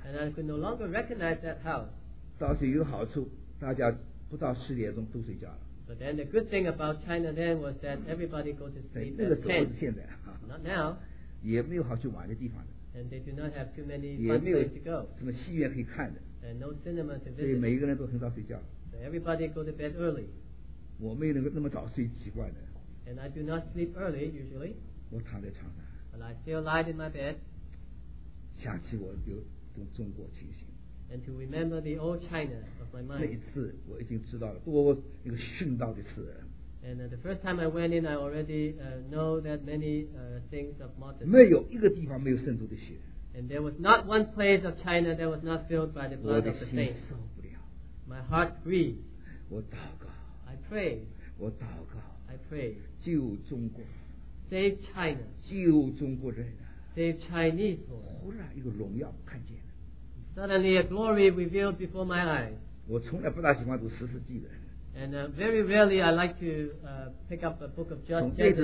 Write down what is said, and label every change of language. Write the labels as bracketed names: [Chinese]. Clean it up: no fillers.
[English] and I could no longer recognize that house. [Chinese] 倒是有好处, 大家 不到10点钟都睡觉了。 [English] But then the good thing about China then was that everybody goes to sleep at 10. [Chinese] 现在, [English] not now. [Chinese] 也没有好去玩的地方的, [English] and they do not have too many fun places to go. [Chinese] 什么戏院可以看的, [English] and no cinema to visit. [Chinese] 所以每一个人都很早睡觉, [English] so everybody goes to bed early. [Chinese] 我没有那么早睡习惯的, [English] and I do not sleep early usually. [Chinese] 我躺在床上, [English] but I still lie in my bed. [Chinese] 想起我就中国情形, [English] and to remember the old China. [Chinese] 那一次我已经知道了,多一个殉道的事, [English] and the first time I went in, I already know that many things of martyrdom. [Chinese] 没有一个地方没有圣徒的血, [English] and there was not one place of China that was not filled by the blood of the saints. My heart grieved. [Chinese] 我祷告, [English] I pray. [Chinese] 我祷告, [English] I pray. [Chinese] 救中国, [English] save China. [Chinese] 救中国人, [English] save Chinese. [Chinese] 忽然一个荣耀看见, [English] suddenly a glory revealed before my eyes. [Chinese] 我从来不大喜欢读十世纪的, [English] and very rarely I like to pick up a book of Judges.